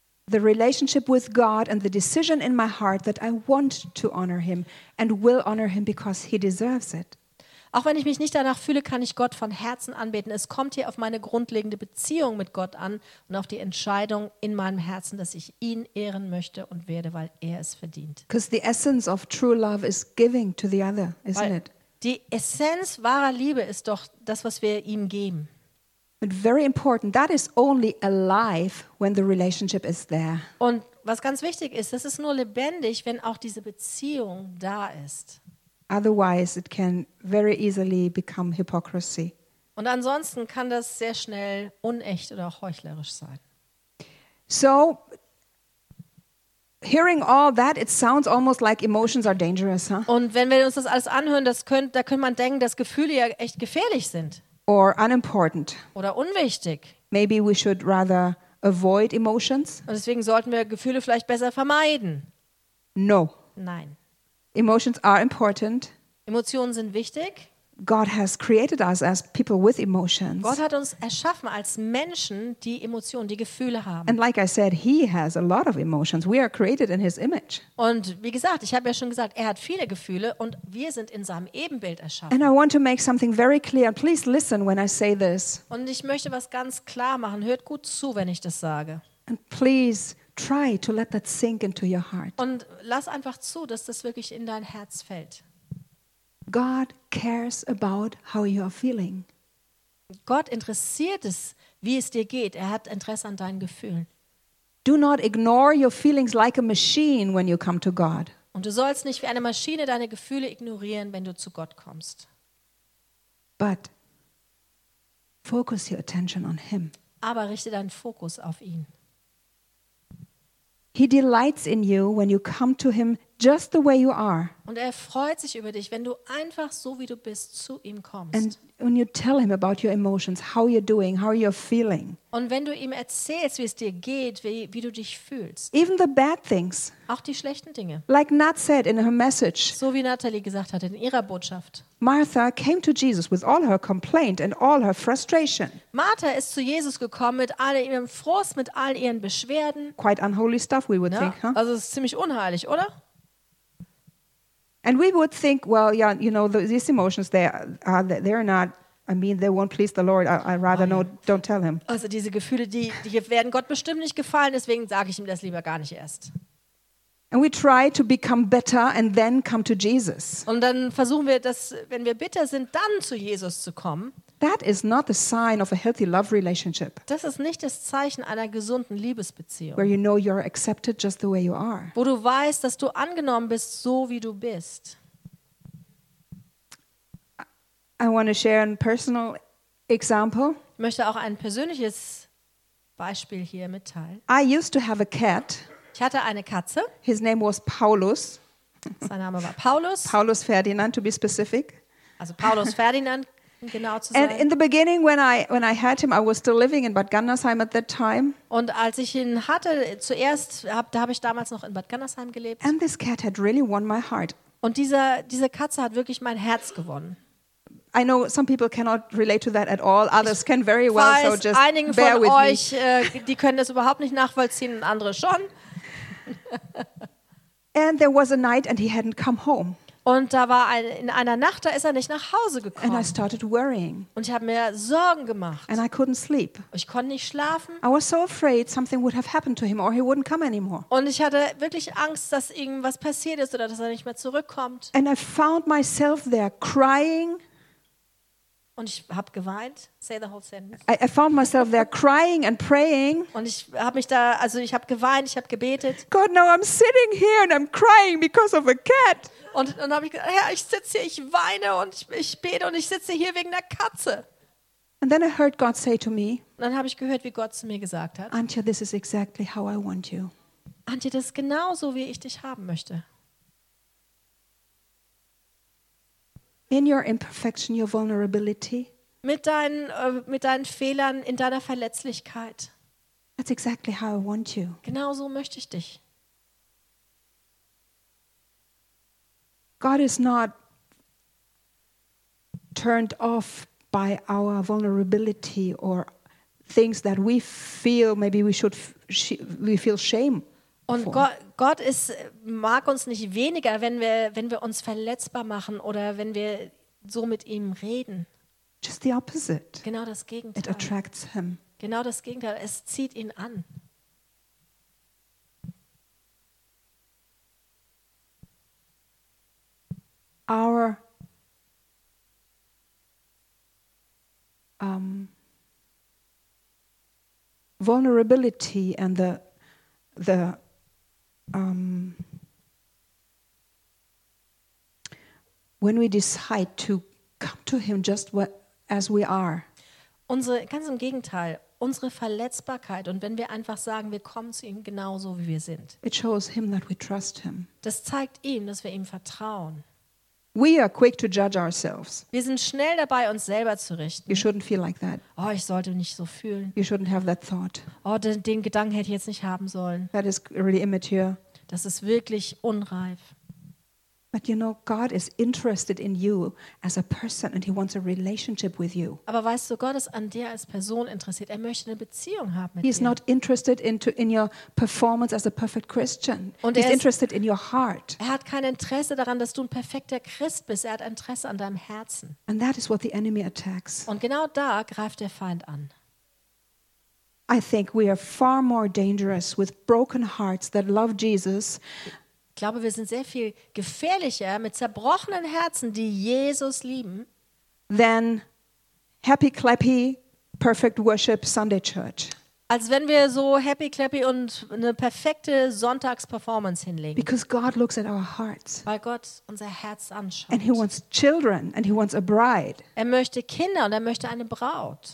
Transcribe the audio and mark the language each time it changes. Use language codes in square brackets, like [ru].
[en] The relationship with God and the decision in my heart that I want to honor him and will honor him because he deserves it. [de] Auch wenn ich mich nicht danach fühle, kann ich Gott von Herzen anbeten. Es kommt hier auf meine grundlegende Beziehung mit Gott an und auf die Entscheidung in meinem Herzen, dass ich ihn ehren möchte und werde, weil er es verdient. [en] Because the essence of true love is giving to the other, isn't it? [de] Die Essenz wahrer Liebe ist doch das, was wir ihm geben. [en] But very important, that is only alive when the relationship is there. [de] Und was ganz wichtig ist, das ist nur lebendig, wenn auch diese Beziehung da ist. [en] Otherwise it can very easily become hypocrisy. [de] Und ansonsten kann das sehr schnell unecht oder heuchlerisch sein. [en] So hearing all that, it sounds almost like emotions are dangerous, huh? [de] Und wenn wir uns das alles anhören, da könnte man denken, dass Gefühle ja echt gefährlich sind. [en] Or unimportant. [de] Oder unwichtig. [en] Maybe we should rather avoid emotions. [de] Und deswegen sollten wir Gefühle vielleicht besser vermeiden. [en] No. [de] Nein. [en] Emotions are important. [de] Emotionen sind wichtig. [en] God has created us as people with emotions. [de] Gott hat uns erschaffen als Menschen, die Emotionen, die Gefühle haben. [en] And like I said, he has a lot of emotions. We are created in his image. [de] Und wie gesagt, ich habe ja schon gesagt, er hat viele Gefühle und wir sind in seinem Ebenbild erschaffen. [en] And I want to make something very clear. Please listen when I say this. [de] Und ich möchte was ganz klar machen. Hört gut zu, wenn ich das sage. [en] And please try to let that sink into your heart. [de] Und lass einfach zu, dass das wirklich in dein Herz fällt. [en] God cares about how you are feeling. [de] Gott interessiert es, wie es dir geht. Er hat Interesse an deinen Gefühlen. [en] Do not ignore your feelings like a machine when you come to God. [de] Und du sollst nicht wie eine Maschine deine Gefühle ignorieren, wenn du zu Gott kommst. [en] But focus your attention on him. [de] Aber richte deinen Fokus auf ihn. [en] He delights in you when you come to him just the way you are. [de] Und er freut sich über dich, wenn du einfach so wie du bist zu ihm kommst. [en] And when you tell him about your emotions, how you're doing, how you're feeling. [de] Und wenn du ihm erzählst, wie es dir geht, wie du dich fühlst. [en] Even the bad things. [de] Auch die schlechten Dinge. [en] Like Nat said in her message. [de] So wie Natalie gesagt hat in ihrer Botschaft. [en] Martha came to Jesus with all her complaint and all her frustration. [de] Martha ist zu Jesus gekommen mit all ihrem Frust, mit all ihren Beschwerden. [en] Quite unholy stuff, we would think, huh? [de] Also es ist ziemlich unheilig, oder? [en] And we would think, well, yeah, you know, these emotions, they won't please the Lord. Don't tell him. [de] Also diese Gefühle, die werden Gott bestimmt nicht gefallen, deswegen sage ich ihm das lieber gar nicht erst. [en] And we try to become better and then come to Jesus. [de] Und dann versuchen wir, dass, wenn wir bitter sind, dann zu Jesus zu kommen. [en] That is not the sign of a healthy love relationship. [de] Das ist nicht das Zeichen einer gesunden Liebesbeziehung. [en] Where you know you're accepted just the way you are. [de] Wo du weißt, dass du angenommen bist, so wie du bist. [en] I want to share a personal example. [de] Ich möchte auch ein persönliches Beispiel hier mitteilen. [en] I used to have a cat. [de] Ich hatte eine Katze. [en] His name was Paulus. [de] Sein Name war Paulus. [en] Paulus Ferdinand, to be specific. [de] Also Paulus Ferdinand, genau zu sein. [en] And in the beginning, when I had him, I was still living in Bad Gandersheim at that time. [de] Und als ich ihn hatte, zuerst habe ich damals noch in Bad Gandersheim gelebt. [en] And this cat had really won my heart. [de] Und diese Katze hat wirklich mein Herz gewonnen. [en] I know some people cannot relate to that at all. Others can very well. So just bear with me. [de] Einigen von euch, die können das überhaupt nicht nachvollziehen, und andere schon. [en] And there was a night and he hadn't come home. [de] Und da war in einer Nacht, da ist er nicht nach Hause gekommen. [en] And I started worrying. [de] Und ich habe mir Sorgen gemacht. [en] And I couldn't sleep. [de] Ich konnte nicht schlafen. [en] I was so afraid something would have happened to him or he wouldn't come anymore. [de] Und ich hatte wirklich Angst, dass irgendwas passiert ist oder dass er nicht mehr zurückkommt. [en] And I found myself there crying. [de] Und ich habe geweint. [en] Say the whole sentence. I found myself there crying and praying. [de] Und ich habe mich da, also ich habe geweint, ich habe gebetet. [en] God, now I'm sitting here and I'm crying because of a cat. [de] Und dann habe ich gesagt, Herr, ich sitze hier, ich weine und ich bete und ich sitze hier wegen der Katze. [en] And then I heard God say to me. [de] Dann habe ich gehört, wie Gott zu mir gesagt hat. [en] Antje, this is exactly how I want you. [de] Antje, das ist genau so, wie ich dich haben möchte. [en] In your imperfection, your vulnerability. [de] Mit deinen Fehlern, in deiner Verletzlichkeit. [en] That's exactly how I want you. [de] Genau so möchte ich dich. [en] God is not turned off by our vulnerability or things that we feel maybe we feel shame. [de] Und Gott mag uns nicht weniger, wenn wir uns verletzbar machen oder wenn wir so mit ihm reden. [en] Just the opposite. [de] Genau das Gegenteil. [en] It attracts him. [de] Genau das Gegenteil. Es zieht ihn an. [en] Our vulnerability and when we decide to come to him just as we are. [de] Unsere, ganz im Gegenteil, unsere Verletzbarkeit und wenn wir einfach sagen, wir kommen zu ihm genauso, wie wir sind. [en] It shows him that we trust him. [de] Das zeigt ihm, dass wir ihm vertrauen. [en] We are quick to judge ourselves. [de] Wir sind schnell dabei, uns selber zu richten. [en] You shouldn't feel like that. [de] Oh, ich sollte nicht so fühlen. [en] You shouldn't have that thought. [de] Oh, den Gedanken hätte ich jetzt nicht haben sollen. [en] That is really immature. [de] Das ist wirklich unreif. [en] But you know, God is interested in you as a person and he wants a relationship with you. [de] Aber weißt du, Gott ist an dir als Person interessiert. Er möchte eine Beziehung haben mit dir. [en] He is not interested in your performance as a perfect Christian. He's interested in your heart. [de] Er hat kein Interesse daran, dass du ein perfekter Christ bist. Er hat Interesse an deinem Herzen. [en] And that is what the enemy attacks. [de] Und genau da greift der Feind an. [en] I think we are far more dangerous with broken hearts that love Jesus. [de] Ich glaube, wir sind sehr viel gefährlicher mit zerbrochenen Herzen, die Jesus lieben, [en] than happy clappy perfect worship Sunday church. [de] Als wenn wir so happy clappy und eine perfekte Sonntagsperformance hinlegen. [en] Because God looks at our hearts. [de] Weil Gott unser Herz anschaut. [en] And he wants children and he wants a bride. [de] Er möchte Kinder und er möchte eine Braut.